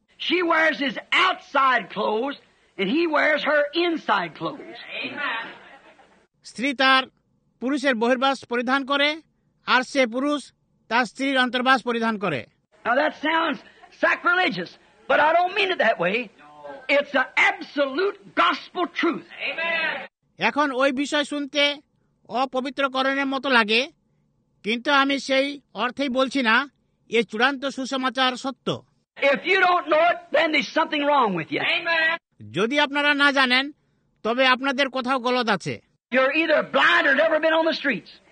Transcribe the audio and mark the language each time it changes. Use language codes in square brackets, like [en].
[en] She wears his outside clothes and he wears her inside clothes. [bn] স্ত্রী তার পুরুষের বহির্বাস পরিধান করে আর সে পুরুষ তার স্ত্রীর অন্তর্বাস পরিধান করে। [en] Now that sounds sacrilegious, but I don't mean it that way. It's an absolute gospel truth. [bn] এখন ওই বিষয় শুনতে অপবিত্রকরণের মতো লাগে, কিন্তু আমি সেই অর্থেই বলছি না, এ চূড়ান্ত সুসমাচার সত্য। [en] If you don't know it, then there's something wrong with you. [bn] যদি আপনারা না জানেন, তবে আপনাদের কোথাও গলত আছে। [en] You're either blind or never been on the streets.